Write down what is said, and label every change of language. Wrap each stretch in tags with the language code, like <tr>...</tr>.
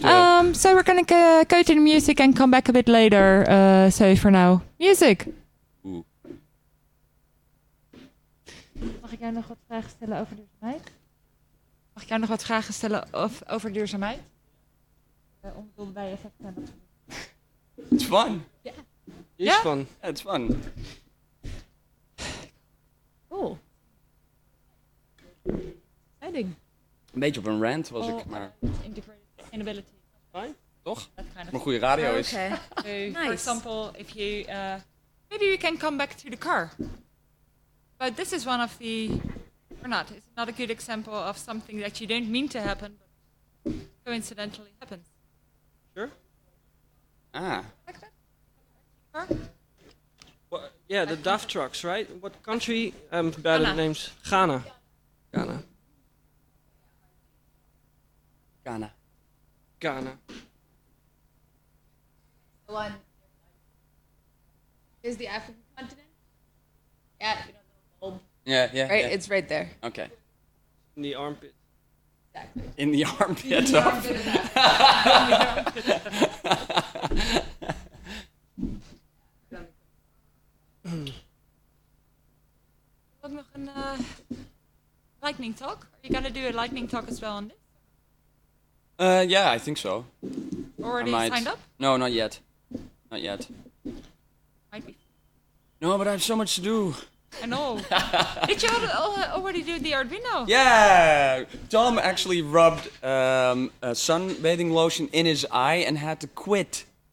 <en>the So we're going to go to the music and come back a bit later. So for now, music.</en> <nl>Mag ik jou nog wat vragen stellen over duurzaamheid? Mag ik jou nog wat vragen stellen over duurzaamheid? Onbedoelde bijeffecten.</nl> <en>It's fun.</en> <nl>Ja.</nl> <en>It's fun. Yeah, it's fun. Cool.</en> <nl>Leiding. Een beetje op een rant was ik, maar...</nl> <en>Integrated sustainability. Fine, toch? Kind of</en> <nl>maar goede radio is.</nl> <en>Okay. So, nice. For example, if you... maybe we can come back to the car. But this is one of the... Or not. It's not a good example of something that you don't mean to happen, but coincidentally happens. Sure. Ah. Like that? Car? Well, yeah, the DAF trucks, right? What country? Bad at names. Ghana. Ghana. Ghana. Is the African continent? Yeah, you know the bulb. Yeah. Right, yeah. It's right there. Okay. In the armpit. Exactly. In the armpit. In the armpit.</en> <nl>Ook nog een lightning talk.</nl> <en>Are you gonna do a lightning talk as well on this? Yeah, I think so. Already signed up? No, not yet. Not yet. Might be. No, but I have so much to do. I know. Did you already do the Arduino? Yeah! Tom actually rubbed sunbathing lotion in his eye and had to quit.</en>